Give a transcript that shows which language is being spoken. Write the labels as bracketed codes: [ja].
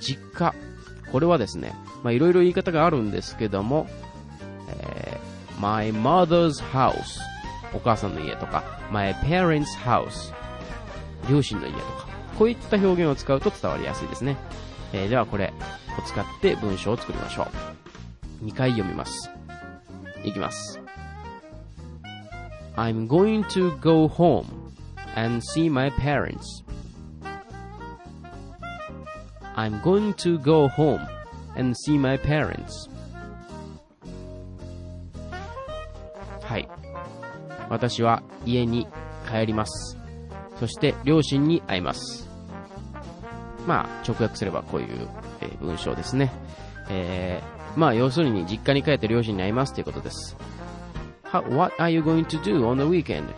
[ja] 実家。これはですね、まあいろいろ言い方があるんですけども、 [en] my mother's house。 [ja] お母さんの家とか、 [en] my parents' house。 [ja] 両親の家とか。こういった表現を使うと伝わりやすいですね。ではこれを使って文章を作りましょう。2回読みます。いきます。 [en] I'm going to go home and see my parents. I'm going to go home and see my parents. [ja] はい。私は家に帰ります。そして両親に会います。まあ、直訳すればこういう、文章ですね。まあ要するに実家に帰って両親に会いますということです。 [en] What are you going to do on the weekend?